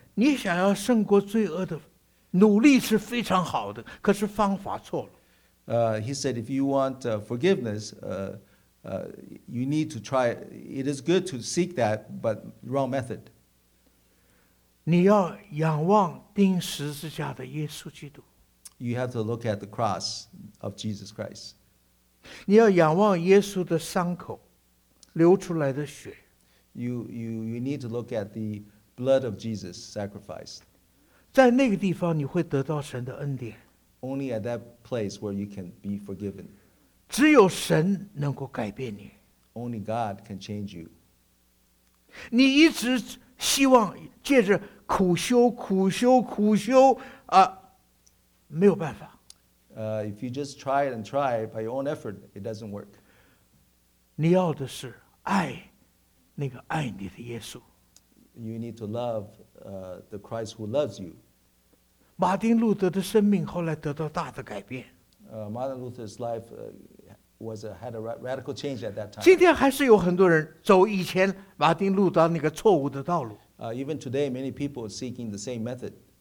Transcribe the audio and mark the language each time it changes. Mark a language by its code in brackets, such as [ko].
[zh] 你想要胜过罪恶的努力是非常好的，可是方法错了。 [en] He said, if you want forgiveness, you need to try. It is good to seek that, but wrong method. [zh] 你要仰望钉十字架的耶稣基督。 [en] You have to look at the cross of Jesus Christ. [zh] 你要仰望耶稣的伤口流出来的血。 [en] You need to look at the blood of Jesus sacrificed. [zh] 在那个地方，你会得到神的恩典。 [en] Only at that place where you can be forgiven. [zh] 只有神能够改变你。 [en] Only God can change you. [zh] 你一直希望借着苦修苦修苦修、没有办法。 [en] If you just try it and try it by your own effort, it doesn't work. [zh] 你要的是爱那个爱你的耶稣。 [en] You need to love the Christ who loves you. [zh] 马丁路德的生命后来得到大的改变。 [en] Martin Luther's life had a radical change at that time. [zh] 今天还是有很多人走以前马丁路德那个错误的道路。 [en] Even today, many people are seeking the same method.